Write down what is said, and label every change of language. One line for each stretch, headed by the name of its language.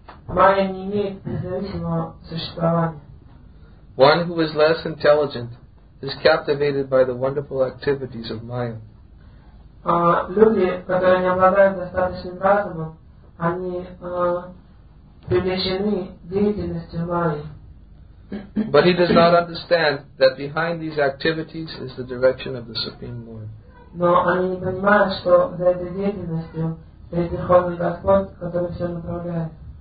Russian: Maya не имеет независимого существования.
English: One who is less intelligent is captivated by the wonderful activities of Maya.
Russian: Люди, которые не обладают достаточным разумом, они привлечены деятельностью Майи.
English: But he does not understand that behind these activities is the direction of the Supreme Lord.
Russian: Но они не понимают, что за этой деятельностью есть Верховный Господь, который все направляет.